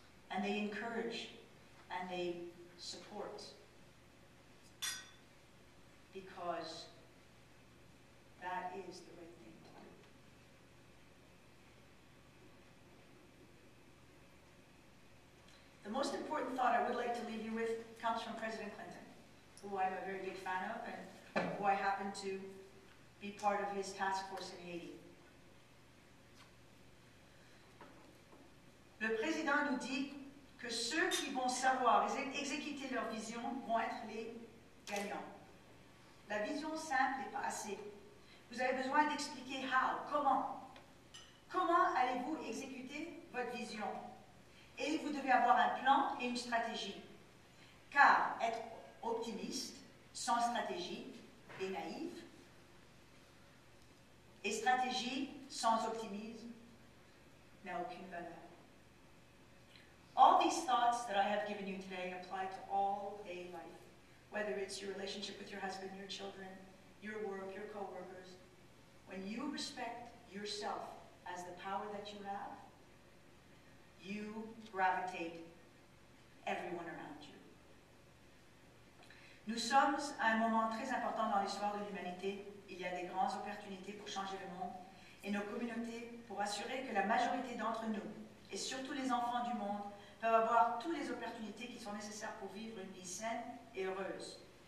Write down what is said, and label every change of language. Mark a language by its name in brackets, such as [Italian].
[English] And they encourage and they support, because that is the right thing. The most important thought I would like to leave you with comes from President Clinton, who I'm a very big fan of and who I happen to be part of his task force in Haiti. [French] Le président nous dit que ceux qui vont savoir exécuter leur vision vont être les gagnants. La vision simple n'est pas assez. Vous avez besoin d'expliquer [English] how, [French] comment. Comment allez-vous exécuter votre vision? Et vous devez avoir un plan et une stratégie. Car être optimiste, sans stratégie, est naïf. Et stratégie, sans optimisme, n'a aucune valeur. [English] All these thoughts that I have given you today apply to all day life. Whether it's your relationship with your husband, your children, your work, your co-workers. When you respect yourself as the power that you have, you gravitate everyone around you. [French] Nous sommes à un moment très important dans l'histoire de l'humanité. Il y a des grandes opportunités pour changer le monde et nos communautés pour assurer que la majorité d'entre nous, et surtout les enfants du monde, peuvent avoir toutes les opportunités qui sont nécessaires pour vivre une vie saine et heureuse.